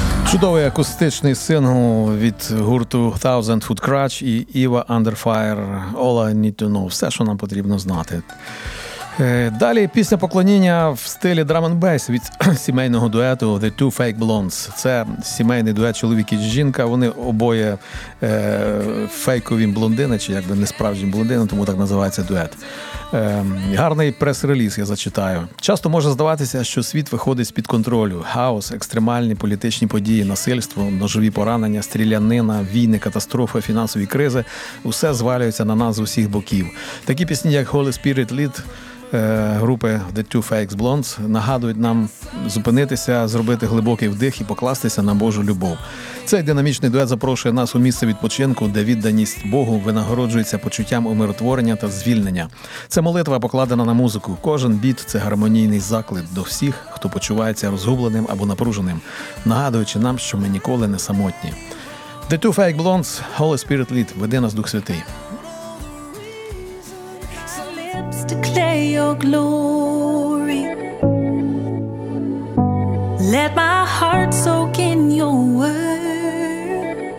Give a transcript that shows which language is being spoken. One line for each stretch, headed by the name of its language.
Ukrainian: Чудовий акустичний сингл від гурту Thousand Foot Crutch і Eva Under Fire – All I Need To Know. Все, що нам потрібно знати. Далі пісня поклоніння в стилі drum and bass від сімейного дуету The Two Fake Blondes. Це сімейний дует чоловік і жінка. Вони обоє фейкові блондини, чи якби не справжні блондини, тому так називається дует. Гарний прес-реліз я зачитаю. Часто може здаватися, що світ виходить з-під контролю. Хаос, екстремальні політичні події, насильство, ножові поранення, стрілянина, війни, катастрофи, фінансові кризи – усе звалюється на нас з усіх боків. Такі пісні, як Holy Spirit Lead групи The Two Fake Blondes, нагадують нам зупинитися, зробити глибокий вдих і покластися на Божу любов. Цей динамічний дует запрошує нас у місце відпочинку, де відданість Богу винагороджується почуттям умиротворення та звільнення. Це молитва, покладена на музику. Кожен біт – це гармонійний заклик до всіх, хто почувається розгубленим або напруженим, нагадуючи нам, що ми ніколи не самотні. The Two Fake Blondes – Holy Spirit Lead, веди нас Дух Святий.
English: Declare your glory. Let my heart soak in your word.